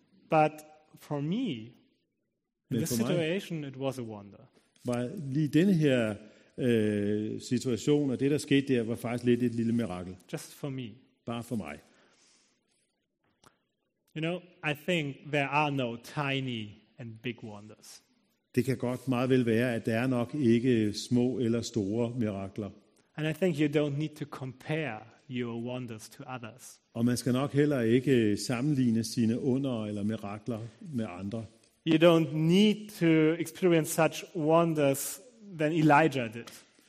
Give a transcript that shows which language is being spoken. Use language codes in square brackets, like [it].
[en] But for me, in this situation, it was a wonder. [da] Var lige denne her situation, og det der skete der, var faktisk lidt et lille mirakel. [en] Just for me. [da] Bare for mig. [en] You know, I think there are no tiny and big wonders. [da] Det kan godt meget vel være, at der er nok ikke små eller store mirakler. [en] And I think you don't need to compare your wonders to others. [da] Og man skal nok heller ikke sammenligne sine under eller mirakler med andre. [en] You don't need to experience such wonders than Elijah did.